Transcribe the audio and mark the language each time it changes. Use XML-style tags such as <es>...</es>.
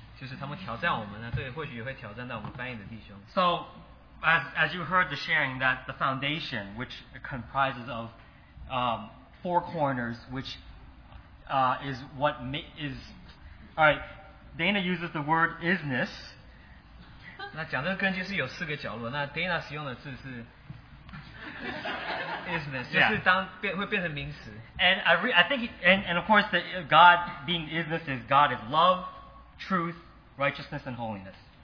<en>So as you heard the sharing, that the foundation, which comprises of four corners, which is what is... All right, Dana uses the word isness.</en> <zh>那讲这个根就是有四个角落, 那 Dana使用的字是...</zh> <en>isness, and of course, the God being isness is God is love, truth, righteousness, and holiness.</en>